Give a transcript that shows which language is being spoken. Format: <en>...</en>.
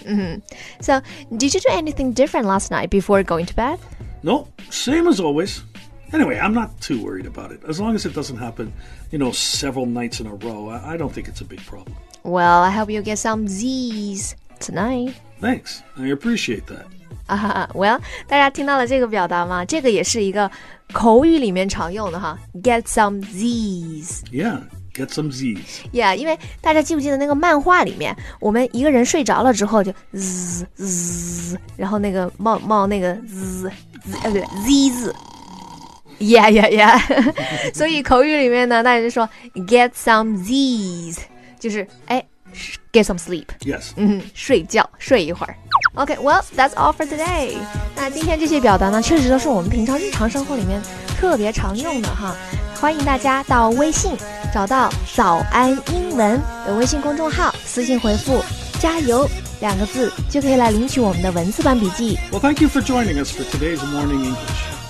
<en>嗯哼。So, did you do anything different last night before going to bed? No, same as always. Anyway, I'm not too worried about it. As long as it doesn't happen, you know, several nights in a row, I don't think it's a big problem. Well, I hope you get some Z's tonight. Thanks. I appreciate that.</en> <zh>Well, 大家听到了这个表达吗？这个也是一个口语里面常用的哈。</zh> <en>Get some Z's. Yeah, get some Z's.</en> <zh>Yeah, 因为大家记不记得那个漫画里面，我们一个人睡着了之后就 Z, 然后那个冒那个 Z, Z 字。 Yeah, yeah, yeah. 所以口语里面呢，大家就说</zh> <en>get some Z's,</en> <zh>就是哎</zh> <en>get some sleep. Yes.</en> <zh>睡觉，睡一会儿。</zh> <en>Okay, well, that's all for today.</en> <zh>那今天这些表达呢，确实都是我们平常日常生活里面特别常用的哈。欢迎大家到微信找到早安英文的微信公众号，私信回复加油两个字，就可以来领取我们的文字版笔记。</zh> <en>Well, thank you for joining us for today's Morning English.</en>